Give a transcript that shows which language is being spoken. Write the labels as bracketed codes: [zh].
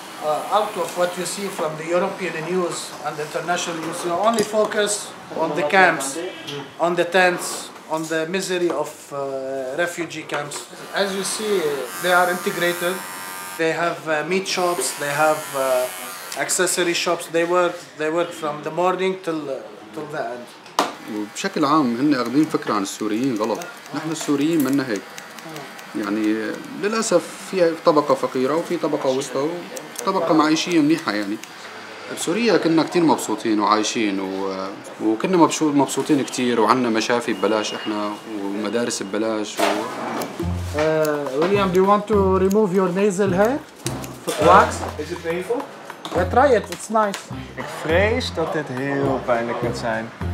[en] Out of what you see from the European news and the international news, you only focus on the camps, on the tents, on the misery of refugee camps. As you see, they are integrated. They have meat shops, they have accessory shops. They work from the morning till the end. [ar] بشكل عام هن اخذين فكره عن السوريين غلط نحن السوريين منا هيك يعني للاسف في طبقه فقيره وفي طبقه وسطى وطبقه معيشيه منيحه يعني بسوريا كنا كثير مبسوطين وعايشين وكنا مبسوطين كثير وعندنا مشافي ببلاش احنا ومدارس ببلاش [en] William, do you want to remove your nasal hair? Wax? Is it painful? Yeah, try it, it's nice. [nl] Ik vrees dat dit heel pijnlijk gaat zijn.